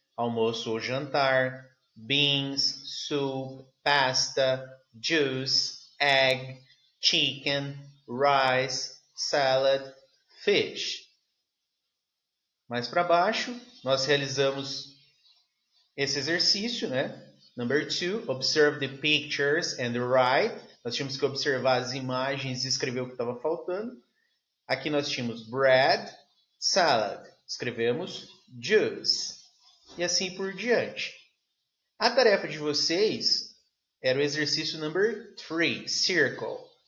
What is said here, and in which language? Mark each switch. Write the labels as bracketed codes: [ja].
[pt] Almoço ou jantar, [en] beans, soup, pasta, juice, egg, chicken, rice, salad, fish. [pt] Mais para baixo, nós realizamos esse exercício, né? [en] Number two, observe the pictures and write. [pt] Nós tínhamos que observar as imagens e escrever o que estava faltando. Aqui nós tínhamos bread, salad. Escrevemos juice. E assim por diante. A tarefa de vocês era o exercício [en] number 3, circle.